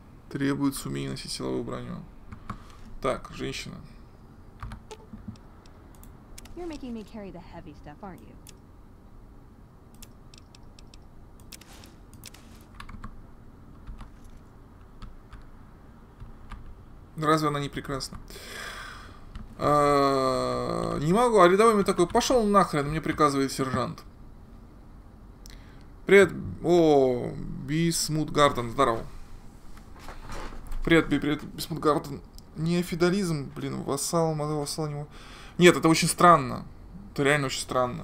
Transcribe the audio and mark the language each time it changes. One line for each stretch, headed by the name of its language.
Russian: Требуется умение носить силовую броню. Так, женщина.
English: You're making me carry the heavy stuff, aren't you?
Russian: Разве она не прекрасна? Не могу, а рядовой мне такой, пошел нахрен, мне приказывает сержант. Привет, о, Бисмут Гарден, здорово. Привет, привет, Бисмут Гарден. Неофеодализм, блин, вассал, вассал него. Нет, это очень странно. Это реально очень странно.